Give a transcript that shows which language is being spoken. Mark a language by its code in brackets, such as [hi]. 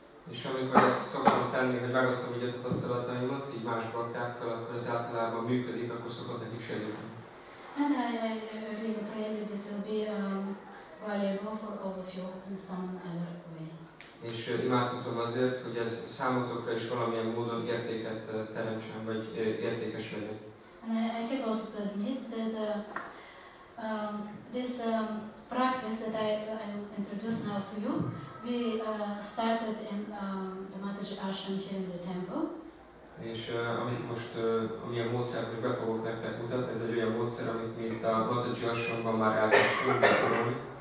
[hu] És amikor ezt szoktam tenni, hogy megosztom így a tapasztalataimat, így más baktákkal, akkor ez általában működik, akkor szokott nekik segíteni. [en] And I really pray that this will be valuable for all of you in some other way. [hu] És imádkozom azért, hogy ez számotokra is valamilyen módon értéket teremtsen, vagy értékesüljön. [en] And I have also to admit that this practice that I introduce now to you, we started in the Mataji Ashram here in the temple. [hu] És amit most, amilyen módszert most be fogok nektek mutatni, ez egy olyan módszer, amit mi itt a Mataji Ashramban már elkezdtünk gyakorolni.